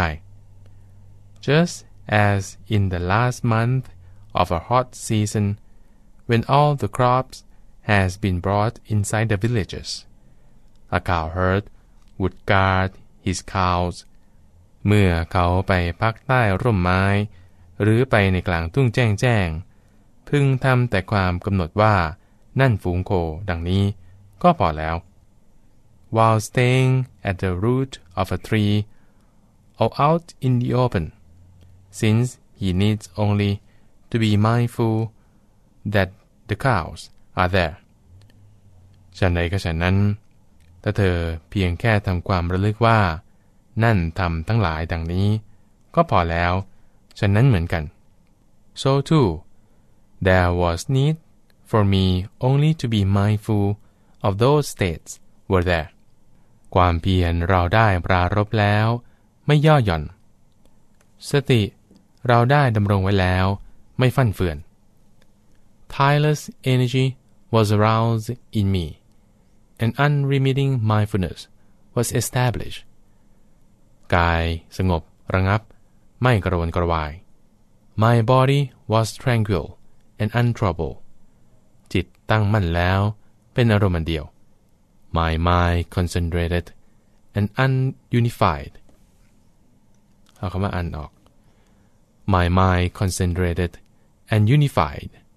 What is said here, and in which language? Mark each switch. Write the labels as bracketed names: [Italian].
[English] Just as in the last month of a hot season, when all the crops has been brought inside the villages, a cowherd would guard his cows. [Thai] เมื่อเขาไปพักใต้ร่มไม้หรือไปในกลางทุ่งแจ้งแจ้งพึงทำแต่ความกำหนดว่านั่นฝูงโคดังนี้ก็พอแล้ว [English] While staying at the root of a tree or out in the open, since he needs only to be mindful that the cows are there. [Thai] ฉันใดก็ฉันนั้นถ้าเธอเพียงแค่ทำความระลึกว่านั่นทำทั้งหลายดังนี้ก็พอแล้วฉะนั้นเหมือนกัน [English] So too, there was need for me only to be mindful of those states were there. [Thai] ความเพียรเราได้ปรารภแล้วไม่ย่อหย่อน สติเราได้ดำรงไว้แล้วไม่ฟั่นเฟือน [English] Tireless energy was aroused in me, and unremitting mindfulness was established. [Thai] กายสงบระงับไม่กระวนกระวาย [English] My body was tranquil and untroubled. [Thai] จิตตั้งมั่นแล้วเป็นอารมณ์อันเดียว [English] My mind concentrated and ununified. [Thai] เอาคำว่าอันออก [English] My mind concentrated and unified.